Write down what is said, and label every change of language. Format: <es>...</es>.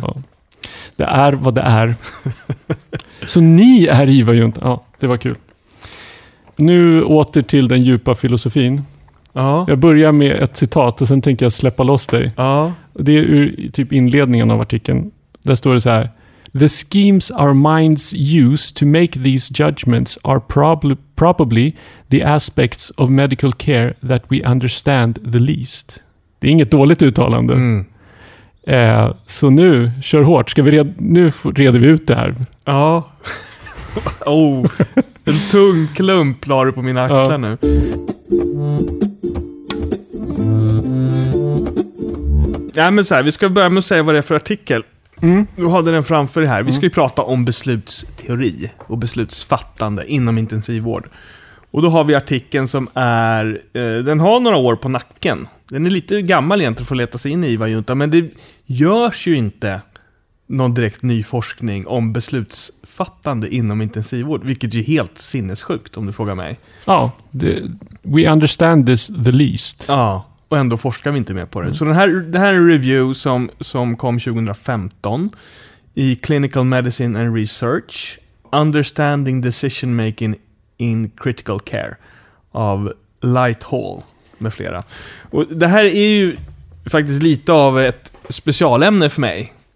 <sv>Ja. Det är vad det är. Så ni är Iva Junt. Ja, det var kul. Nu åter till den djupa filosofin. Ja. Jag börjar med ett citat och sen tänker jag släppa loss dig. Ja. Det är ur typ inledningen av artikeln. Där står det så här.</sv> <en>The schemes our minds use to make these judgments are probably the aspects of medical care that we understand the least.</en> <sv>Det är inget dåligt uttalande. Mm. Så nu, kör hårt. Ska vi nu reder vi ut det här. Ja. Oh, en tung klump la du på mina axlar nu. Ja, men så här, vi ska börja med att säga vad det är för artikel. Nu hade den framför dig här. Vi ska ju prata om beslutsteori och beslutsfattande inom intensivvård. Och då har vi artikeln som är... den har några år på nacken. Den är lite gammal egentligen för att leta sig in i Iva Junta. Men det görs ju inte någon direkt ny forskning om beslutsfattande inom intensivvård. Vilket är helt sinnessjukt om du frågar mig.</sv> <en>Ja, we understand this the least.</en> <sv>Ja. Och ändå forskar vi inte mer på det. Mm. Så den här är en review som kom 2015 i Clinical Medicine and Research. Understanding Decision Making in Critical Care av Lighthall med flera. Och det här är ju faktiskt lite av ett specialämne för mig.</sv>